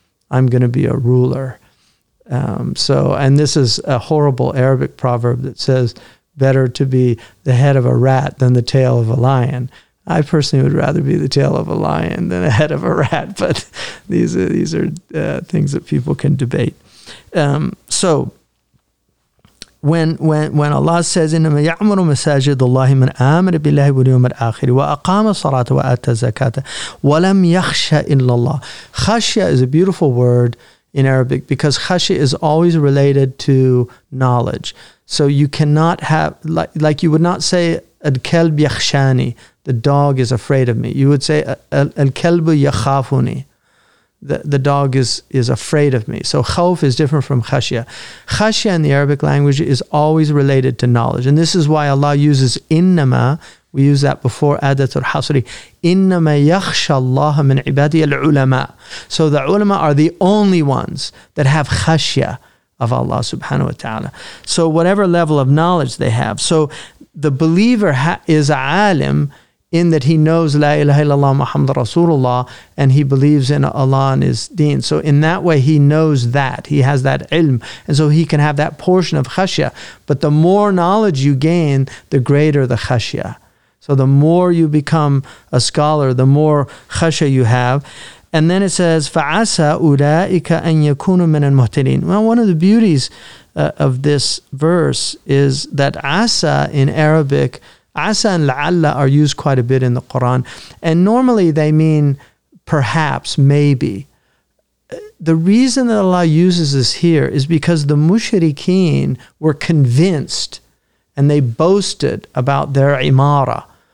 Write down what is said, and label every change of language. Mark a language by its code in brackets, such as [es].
[en] I'm going to be a ruler. So, and this is a horrible Arabic proverb that says, better to be the head of a rat than the tail of a lion. I personally would rather be the tail of a lion than a head of a rat, but these are things that people can debate. So when Allah says [ar] إِنَّمَا يَعْمُرُ مَسَاجِدُ اللَّهِ مَنْ آمَنَ بِاللَّهِ وَالْيَوْمِ الْآخِرِ وَأَقَامَ الصَّلَاةَ وَآتَى الزَّكَاةَ وَلَمْ يَخْشَ إِلَّا اللَّهِ. [en] Khashya is a beautiful word in Arabic because khashya is always related to knowledge. So you cannot have, like you would not say [ar] الْكَلْبِ يَخْشَانِي, [en] the dog is afraid of me. You would say [ar] الْكَلْبُ يَخَافُنِي, [en] the dog is afraid of me. So khawf is different from khashya. Khashya in the Arabic language is always related to knowledge. And this is why Allah uses innama. We use that before adatul hasri. [ar] Innama yakhsha Allah min ibadi al-ulama. [en] So the ulama are the only ones that have khashya of Allah subhanahu wa ta'ala. So whatever level of knowledge they have. So the believer is alim, in that he knows [ar] la ilaha illallah Muhammad Rasulullah, [en] and he believes in Allah and his deen. So in that way, he knows that. He has that ilm. And so he can have that portion of khashya. But the more knowledge you gain, the greater the khashya. So the more you become a scholar, the more khashya you have. And then it says, [ar] فَعَسَىٰ أُولَٰئِكَ أَن يَكُونُ مِنَ الْمُهْتَدِينَ. [en] Well, one of the beauties of this verse is that asa in Arabic, asa and la'alla are used quite a bit in the Quran, and normally they mean perhaps, maybe. The reason that Allah uses this here is because the mushrikeen were convinced and they boasted about their imara.